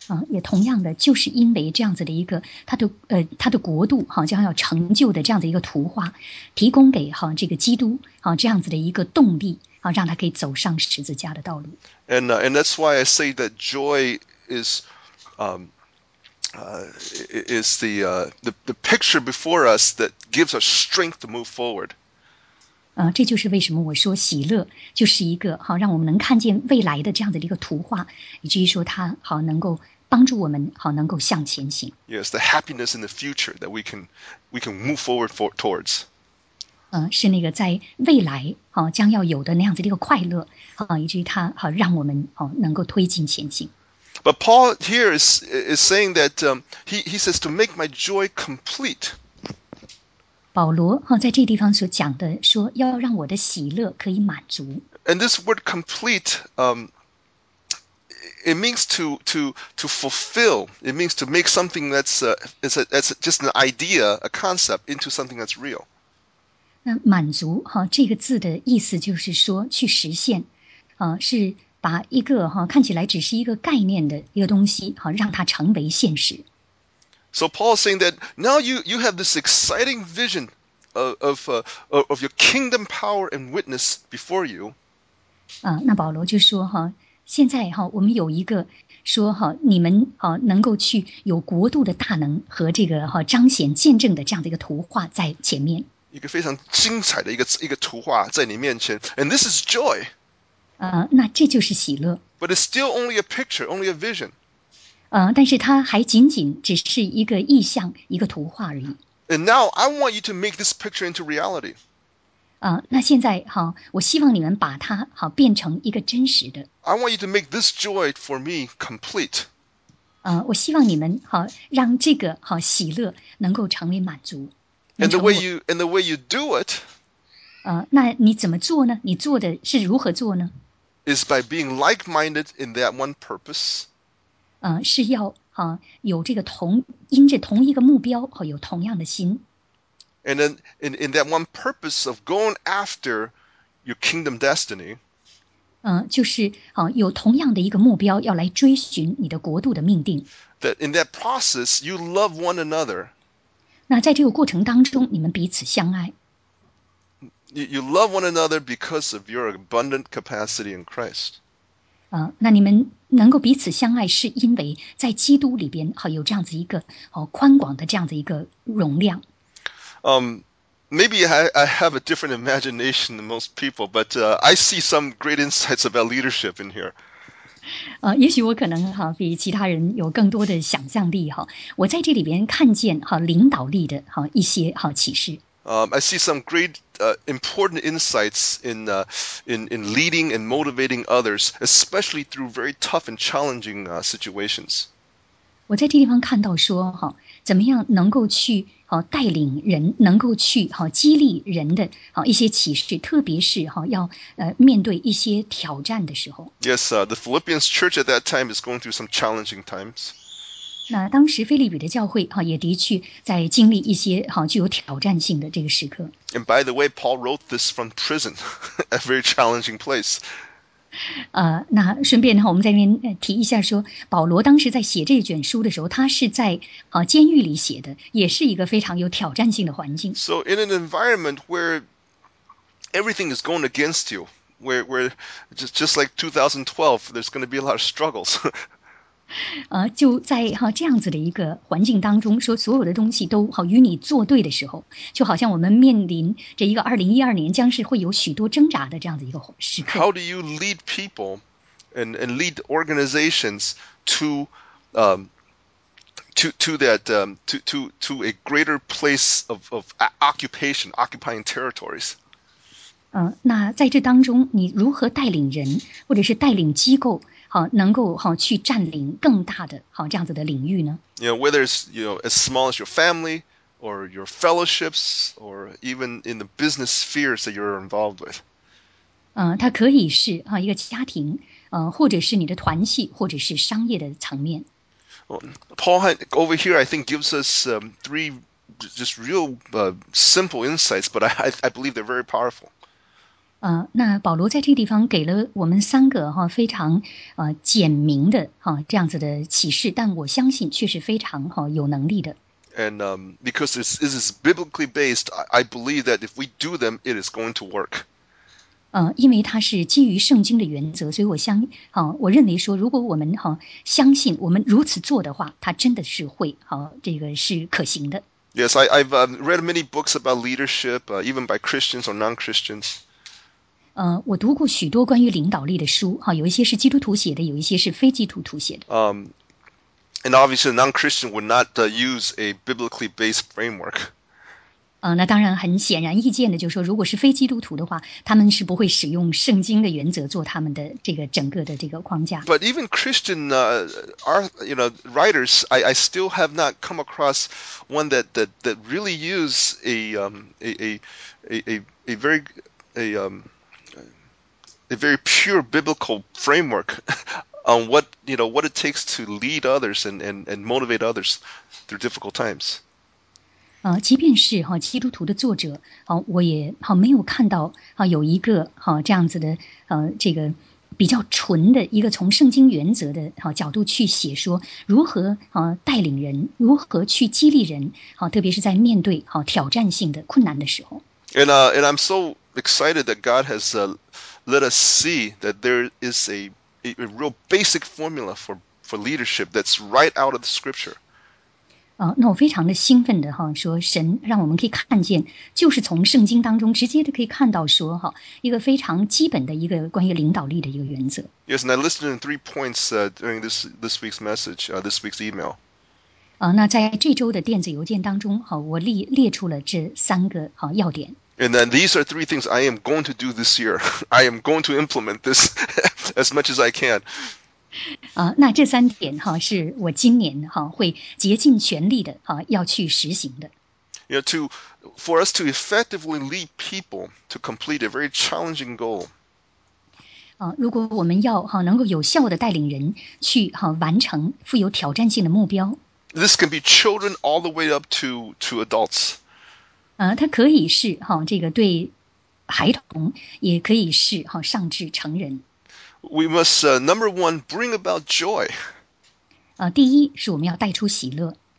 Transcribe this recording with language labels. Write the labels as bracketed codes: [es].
[zh] 也同样的，就是因为这样子的一个他的国度将要成就的这样子一个图画，提供给这个基督这样子的一个动力。让他可以走上十字架的道路。 [en] And that's why I say that joy is the picture before us that gives us strength to move forward. [zh] 这就是为什么我说喜乐就是一个让我们能看见未来的这样的一个图画，以至于说它能够帮助我们能够向前行。 [en] Yes, the happiness in the future that we can move forward towards. [zh] 是那个在未来将要有的那样子的一个快乐以至于它让我们能够推进前进。 [en] But Paul here is saying that he says to make my joy complete. [zh] 保罗在这地方所讲的说要让我的喜乐可以满足。 [en] And this word complete it means to fulfill. It means to make something that's just an idea, a concept, into something that's real. [zh] 那满足哈这个字的意思就是说去实现，是把一个哈看起来只是一个概念的一个东西，哈，让它成为现实。 [en] So Paul is saying that now you have this exciting vision of your kingdom power and witness before you. [zh] 那保罗就说哈，现在哈我们有一个说哈，你们啊能够去有国度的大能和这个哈彰显见证的这样的一个图画在前面。一个非常精彩的一个图画在你面前 ， [en] and this is joy。 [zh] 那这就是喜乐。 [en] But it's still only a picture, only a vision。 [zh] 但是它还仅仅只是一个意象，一个图画而已。 [en] And now I want you to make this picture into reality。 [zh] 那现在哈，我希望你们把它哈变成一个真实的。 [en] I want you to make this joy for me complete。 [zh] 我希望你们哈让这个哈喜乐能够成为满足。 [en] And the way you do it, [zh] 那你怎么做呢？你做的是如何做呢？ [en] Is by being like-minded in that one purpose. [zh] 是要有这个同因着同一个目标有同样的心。 [en] And then in that one purpose of going after your kingdom destiny. [zh] 就是有同样的一个目标要来追寻你的国度的命定。 [en] That in that process you love one another. [zh] 那在这个过程当中，你们彼此相爱。 [en] You love one another because of your abundant capacity in Christ. [zh] 那你们能够彼此相爱，是因为在基督里边，有这样子一个宽广的这样子一个容量。 [en] Maybe I have a different imagination than most people, but I see some great insights about leadership in here. [zh] 也许我可能比其他人有更多的想象力我在这里边看见领导力的一些启示。 [en] I see some great important insights in leading and motivating others, especially through very tough and challenging situations. [zh] 我在这地方看到说怎么样能够去带领人，能够去激励人的一些启示，特别是要面对一些挑战的时候。 [en] Yes, the Philippians church at that time is going through some challenging times. [zh] 那当时腓立比的教会也的确在经历一些具有挑战性的这个时刻。 [en] And by the way, Paul wrote this from prison, a very challenging place. [zh] 那顺便我们在那边提一下说保罗当时在写这卷书的时候他是在监狱里写的也是一个非常有挑战性的环境。 [en] So in an environment where everything is going against you, where just like 2012, there's going to be a lot of struggles. [zh] 就在这样子的一个环境当中说所有的东西都与你作对的时候就好像我们面临这一个2012年将是会有许多挣扎的这样子一个时刻。 [en] How do you lead people and lead organizations to a greater place of occupation, occupying territories? [zh] 那在这当中你如何带领人或者是带领机构能够去占领更大的这样子的领域呢 [en] you know, whether it's you know, as small as your family or your fellowships or even in the business spheres that you're involved with. [zh] 它可以是一个家庭或者是你的团契或者是商业的层面。 [en] Well, Paul over here I think gives us three just real simple insights, but I believe they're very powerful. [zh] 那保罗在这个地方给了我们三个非常简明的这样子的启示，但我相信却是非常有能力的。 [en] And because this is biblically based, I believe that if we do them, it is going to work. [zh] 因为它是基于圣经的原则，所以我认为说，如果我们相信我们如此做的话，它真的是会这个是可行的。 [en] Yes, I've read many books about leadership, even by Christians or non-Christians. [zh] 我读过许多关于领导力的书有一些是基督徒写的有一些是非基督徒写的。 [en] And obviously, non-Christian would not use a biblically based framework. [zh] 那当然很显然易见的就是说如果是非基督徒的话他们是不会使用圣经的原则做他们的这个整个的这个框架。 [en] But even Christian you know, writers, I still have not come across one that really use a very pure biblical framework on what, you know, what it takes to lead others and motivate others through difficult times. [zh] 即便是基督徒的作者，我也没有看到有一个这样子的这个比较纯的一个从圣经原则的角度去写说如何带领人，如何去激励人，特别是在面对挑战性的困难的时候。 [en] And I'm so excited that God has let us see that there is a real basic formula for leadership that's right out of the scripture. [zh] 那我非常的兴奋的说神让我们可以看见，就是从圣经当中直接的可以看到说一个非常基本的一个关于领导力的一个原则。 [en] Yes, and I listed in 3 points during this week's message, this week's email. [zh] 那在这周的电子邮件当中我列出了这三个要点。 [en] And then these are 3 things I am going to do this year. I am going to implement this as much as I can. [zh] 那这三点是我今年会竭尽全力的要去实行的。 [en] You know, for us to effectively lead people to complete a very challenging goal. [zh] 如果我们要能够有效的带领人去完成富有挑战性的目标。 [en] This can be children all the way up to adults. [zh] 它可以是这个对孩童，也可以是上至成人。 [en] We must, number one, bring about joy. [zh] 第一是我们要带出喜乐。